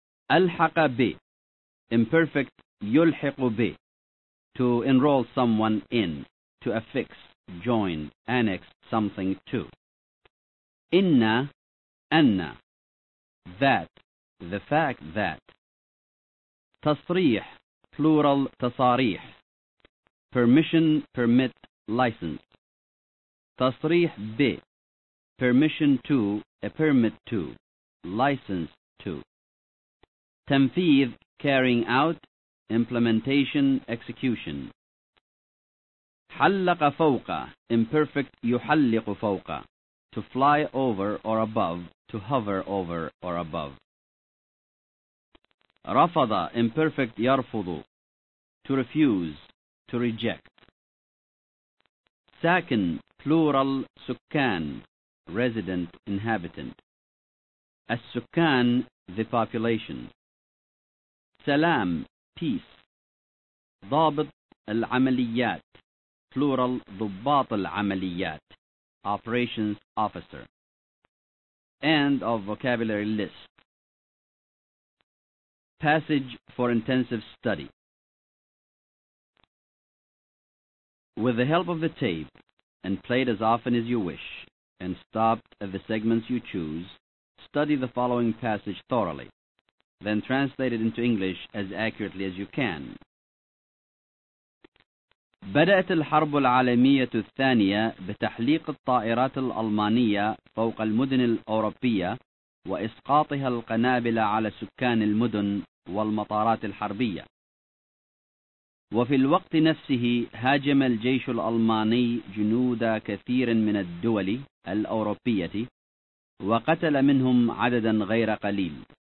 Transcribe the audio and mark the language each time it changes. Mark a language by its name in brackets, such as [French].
[Arabic] ألحق بي, [English] imperfect, [Arabic] يلحق بي, [English] to enroll someone in, to affix, join, annex something to. إن, أن, that, the fact that. [Arabic] تصريح, plural تصاريح. [English] Permission, permit, license. تصريح ب, permission to, a permit to, license to. تنفيذ, carrying out, implementation, execution. [Arabic] حلق فوق, [English] imperfect [Arabic] يحلق فوق, [English] to fly over or above, to hover over or above. رفض, imperfect يرفض, to refuse, to reject. ساكن, plural سكان, resident, inhabitant. السكان, the population. سلام, peace. [Arabic] ضابط العمليات, plural ضباط العمليات, [English] operations officer. End of vocabulary list. Passage for intensive study. With the help of the tape, and played as often as you wish, and stopped at the segments you choose, study the following passage thoroughly, then translate it into English as accurately as you can. [Arabic] بدأت الحرب العالمية الثانية بتحليق الطائرات الألمانية فوق المدن الأوروبية وإسقاطها القنابل على سكان المدن والمطارات الحربية. وفي الوقت نفسه هاجم الجيش الألماني جنود كثير من الدول الأوروبية وقتل منهم عددا غير قليل.